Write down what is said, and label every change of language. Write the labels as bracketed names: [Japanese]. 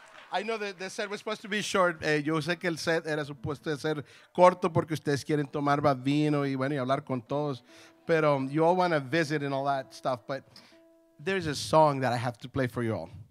[English] I know that the set was supposed to be short. [Spanish] Yo sé que el set era supuesto de ser corto porque ustedes quieren tomar vino y bueno y hablar con todos. [English] Pero you all want to visit and all that stuff. But there's a song that I have to play for you all.